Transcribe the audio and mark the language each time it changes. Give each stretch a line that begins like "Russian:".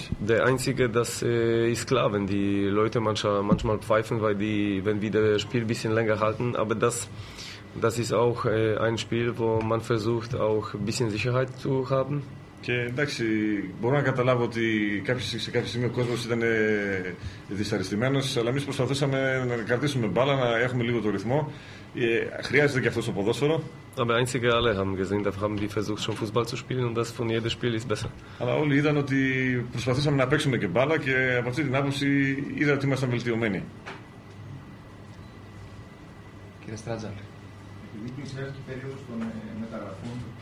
German: Der Einzige, das ist klar, wenn die Leute manchmal pfeifen, weil die, wenn wir das Spiel ein bisschen länger halten, aber das ist auch ein Spiel, wo man versucht, auch ein bisschen Sicherheit zu haben.
Greek: Και εντάξει, μπορώ να καταλάβω ότι σε κάποια στιγμή ο κόσμος ήταν δυσαρεστημένος, αλλά εμείς προσπαθήσαμε να κρατήσουμε μπάλα, να έχουμε λίγο το ρυθμό. Χρειάζεται και αυτό στο ποδόσφαιρο.
German: Aber einzige alle haben gesehen, da haben die versucht schon Fußball zu spielen und das von jedem Spiel ist besser.
Greek: Αλλά όλοι είδαν ότι προσπαθήσαμε να παίξουμε και μπάλα και από αυτή την άποψη είδα ότι ήμασταν βελτιωμένοι. Κύριε Στράτζαλ, επειδή πλησιάζει και η περίοδος των μεταγραφών,